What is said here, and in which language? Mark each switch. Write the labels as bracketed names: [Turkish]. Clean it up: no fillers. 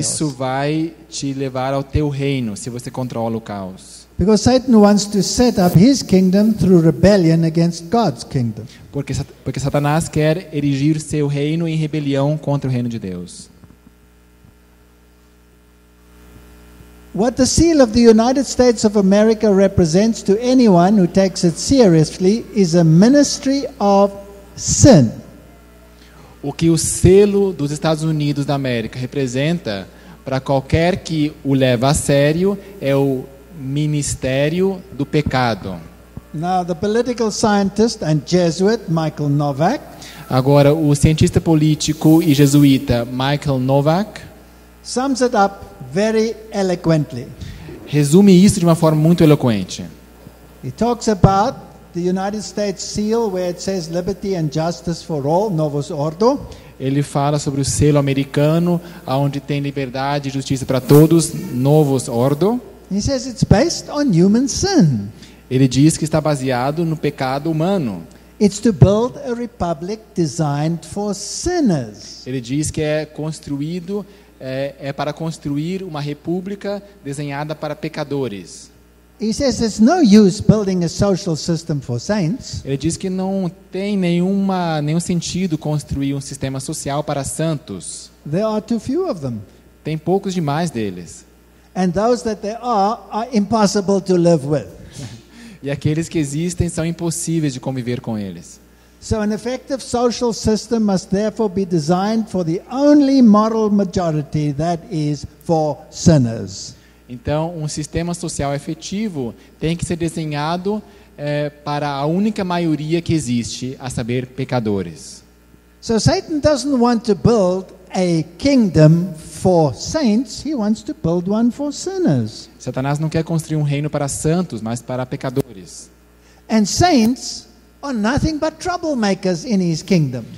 [Portuguese] Isso vai te levar ao teu reino se você controla o caos. [English] Because Satan wants to set up his kingdom through rebellion against God's kingdom. [Portuguese] Porque Satanás quer erigir seu reino em rebelião contra o reino de Deus. [English] What the seal of the United States of America represents to anyone who takes it seriously is a ministry of sin. [Portuguese] O que o selo dos Estados Unidos da América representa para qualquer que o leva a sério é o Ministério do Pecado. [English] Now, the political scientist and Jesuit, Michael Novak, [Portuguese] agora, o cientista político e jesuíta Michael Novak [English] sums it up very eloquently. [Portuguese] Resume isso de uma forma muito eloquente. [English] He talks about the United States seal where it says liberty and justice for all, novus ordo. [Portuguese] Ele fala sobre o selo americano onde tem liberdade e justiça para todos, novus ordo. [English] He says it's based on human sin. [Portuguese] Ele diz que está baseado no pecado humano. [English] It's to build a republic designed for sinners. [Portuguese] Ele diz que é para construir uma república desenhada para pecadores. [English] He says it's no use building a social system for saints. [Portuguese] Ele diz que não tem nenhum sentido construir um sistema social para santos. [English] There are too few of them. [Portuguese] Tem poucos demais deles. [English] And those that there are impossible to live with. [Portuguese] E aqueles que existem são impossíveis de conviver com eles. [English] So an effective social system must therefore be designed for the only moral majority, that is, for sinners. [Portuguese] Então, um sistema social efetivo tem que ser desenhado para a única maioria que existe, a saber, pecadores. [English] So Satan doesn't want to build a kingdom for saints, he wants to build one for sinners. [Portuguese] Satanás não quer construir um reino para santos, mas para pecadores. [English] And saints are nothing but troublemakers in his kingdom.